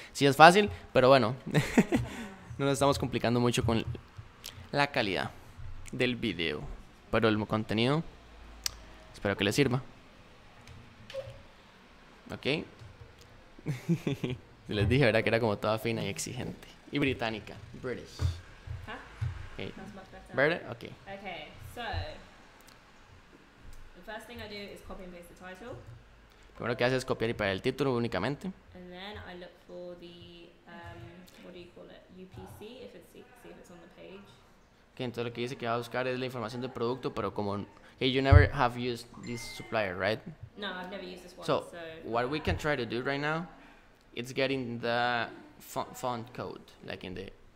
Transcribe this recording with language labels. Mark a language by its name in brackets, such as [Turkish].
[Spanish] Sí es fácil, pero bueno, no nos estamos complicando mucho con la calidad del video. Pero el contenido, espero que les sirva. ¿Ok? Les dije, ¿verdad? Que era como toda fina y exigente. Y británica. British. [English] Okay. Better? Okay. Okay, so the first thing I do is copy and paste the title. [Spanish] Primero que haces es copiar y pegar el título únicamente. [English] And then I look for the what do you call it? UPC, if it's see if it's on the page. [Spanish] Okay, entonces lo que dice que va a buscar es la información del producto, pero como [English] hey, you never have used this supplier, right? No, I've never used this one. So what we can try to do right now, it's getting the font code, like in the.